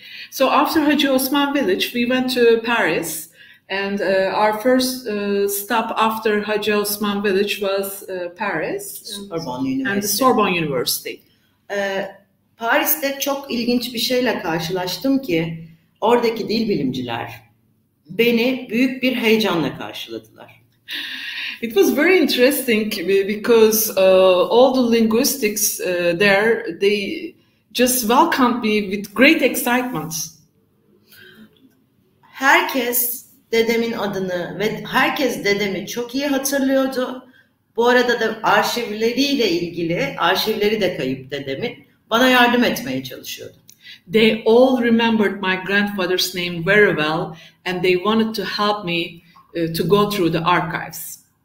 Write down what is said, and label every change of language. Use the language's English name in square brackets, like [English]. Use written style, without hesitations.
[English] So after Hacı Osman village, we went to Paris, and our first stop after Hacı Osman village was Paris and the Sorbonne University. [Turkish] Paris'te çok ilginç bir şeyle karşılaştım ki oradaki dil bilimciler beni büyük bir heyecanla karşıladılar. [English] It was very interesting because all the linguistics there, they just welcomed me with great excitement. [Turkish] Herkes dedemin adını ve herkes dedemi çok iyi hatırlıyordu. Bu arada da arşivleriyle ilgili, arşivleri de kayıp dedemin, bana yardım etmeye çalışıyordu. [English] They all remembered my grandfather's name very well and they wanted to help me to go through the archives.